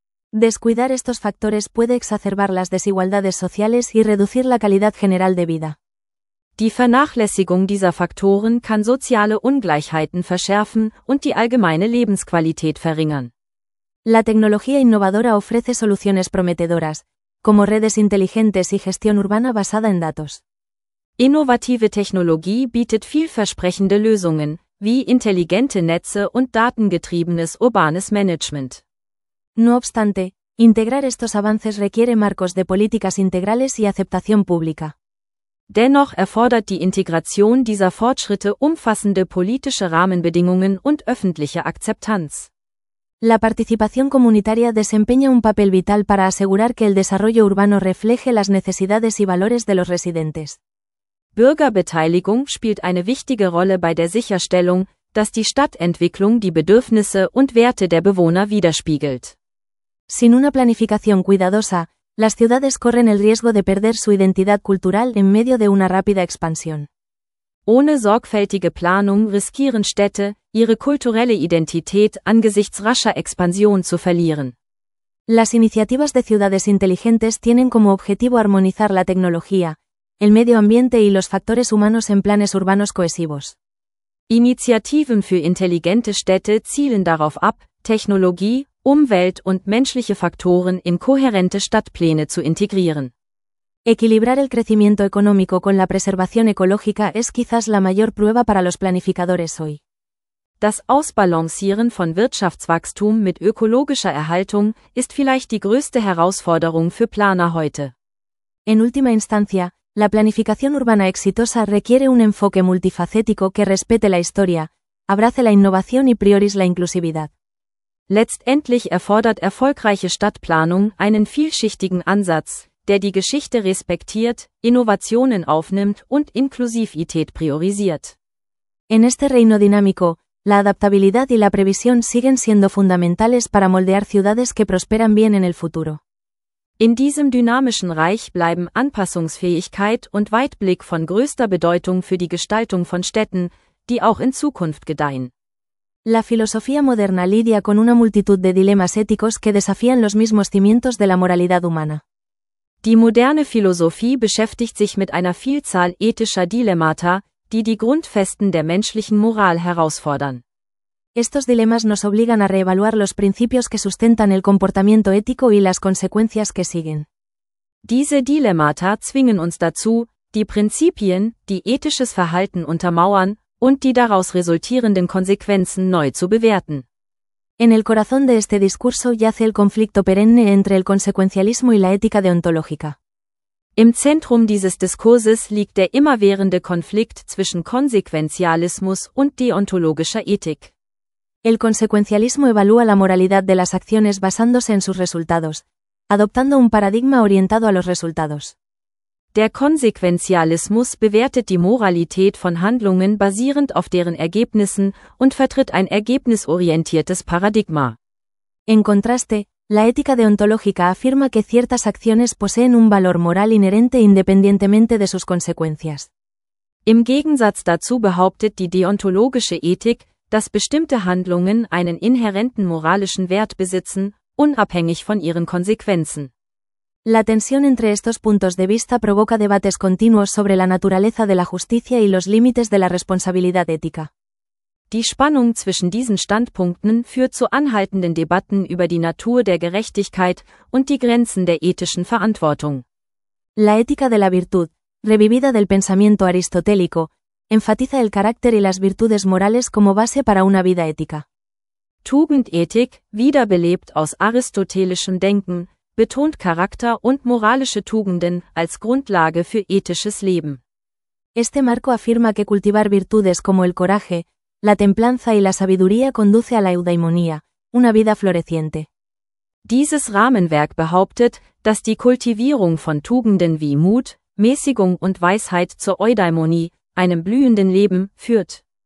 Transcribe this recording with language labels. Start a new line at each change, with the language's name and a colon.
Spanish: Descuidar estos factores puede exacerbar las desigualdades sociales y reducir la calidad general de vida.
German: Die Vernachlässigung dieser Faktoren kann soziale Ungleichheiten verschärfen und die allgemeine Lebensqualität verringern.
Spanish: La tecnología innovadora ofrece soluciones prometedoras, como redes inteligentes y gestión urbana basada en datos.
German: Innovative Technologie bietet vielversprechende Lösungen, wie intelligente Netze und datengetriebenes urbanes Management.
Spanish: No obstante, integrar estos avances requiere marcos de políticas integrales y aceptación pública.
German: Dennoch erfordert die Integration dieser Fortschritte umfassende politische Rahmenbedingungen und öffentliche Akzeptanz.
Spanish: La participación comunitaria desempeña un papel vital para asegurar que el desarrollo urbano refleje las necesidades y valores de los residentes.
German: Bürgerbeteiligung spielt eine wichtige Rolle bei der Sicherstellung, dass die Stadtentwicklung die Bedürfnisse und Werte der Bewohner widerspiegelt.
Spanish: Sin una planificación cuidadosa, las ciudades corren el riesgo de perder su identidad cultural en medio de una rápida expansión.
German: Ohne sorgfältige Planung riskieren Städte, ihre kulturelle Identität angesichts rascher Expansion zu verlieren.
Spanish: Las iniciativas de ciudades inteligentes tienen como objetivo armonizar la tecnología, el medio ambiente y los factores humanos en planes urbanos cohesivos.
German: Initiativen für intelligente Städte zielen darauf ab, Technologie, Umwelt und menschliche Faktoren in kohärente Stadtpläne zu integrieren.
Spanish: Equilibrar el crecimiento económico con la preservación ecológica es quizás la mayor prueba para los planificadores hoy.
German: Das Ausbalancieren von Wirtschaftswachstum mit ökologischer Erhaltung ist vielleicht die größte Herausforderung für Planer heute.
Spanish: En última instancia, la planificación urbana exitosa requiere un enfoque multifacético que respete la historia, abrace la innovación y priorice la inclusividad.
German: Letztendlich erfordert erfolgreiche Stadtplanung einen vielschichtigen Ansatz, der die Geschichte respektiert, Innovationen aufnimmt und Inklusivität priorisiert.
Spanish: En este reino dinámico, la adaptabilidad y la previsión siguen siendo fundamentales para moldear ciudades que prosperan bien en el futuro.
German: In diesem dynamischen Reich bleiben Anpassungsfähigkeit und Weitblick von größter Bedeutung für die Gestaltung von Städten, die auch in Zukunft gedeihen.
Spanish: La filosofía moderna lidia con una multitud de dilemas éticos que desafían los mismos cimientos de la moralidad humana.
German: Die moderne Philosophie beschäftigt sich mit einer Vielzahl ethischer Dilemmata, die die Grundfesten der menschlichen Moral herausfordern.
Spanish: Estos dilemas nos obligan a reevaluar los principios que sustentan el comportamiento ético y las consecuencias que siguen.
German: Diese Dilemmata zwingen uns dazu, die Prinzipien, die ethisches Verhalten untermauern und die daraus resultierenden Konsequenzen neu zu bewerten.
Spanish: En el corazón de este discurso yace el conflicto perenne entre el consecuencialismo y la ética deontológica.
German: Im Zentrum dieses Diskurses liegt der immerwährende Konflikt zwischen Konsequenzialismus und deontologischer Ethik.
Spanish: El consecuencialismo evalúa la moralidad de las acciones basándose en sus resultados, adoptando un paradigma orientado a los resultados.
German: Der Konsequenzialismus bewertet die Moralität von Handlungen basierend auf deren Ergebnissen und vertritt ein ergebnisorientiertes Paradigma.
Spanish: En contraste, la ética deontológica afirma que ciertas acciones poseen un valor moral inherente independientemente de sus consecuencias.
German: Im Gegensatz dazu behauptet die deontologische Ethik, dass bestimmte Handlungen einen inhärenten moralischen Wert besitzen, unabhängig von ihren Konsequenzen.
Spanish: La tensión entre estos puntos de vista provoca debates continuos sobre la naturaleza de la justicia y los límites de la responsabilidad ética.
German: Die Spannung zwischen diesen Standpunkten führt zu anhaltenden Debatten über die Natur der Gerechtigkeit und die Grenzen der ethischen Verantwortung.
Spanish: La ética de la virtud, revivida del pensamiento aristotélico, enfatiza el carácter y las virtudes morales como base para una vida ética.
German: Tugendethik, wiederbelebt aus aristotelischem Denken, betont Charakter und moralische Tugenden als Grundlage für ethisches Leben.
Spanish: Este marco afirma que cultivar virtudes como el coraje, la templanza y la sabiduría conduce a la eudaimonía, una vida floreciente.
German: Dieses Rahmenwerk behauptet, dass die Kultivierung von Tugenden wie Mut, Mäßigung und Weisheit zur Eudaimonie, einem blühenden Leben, führt.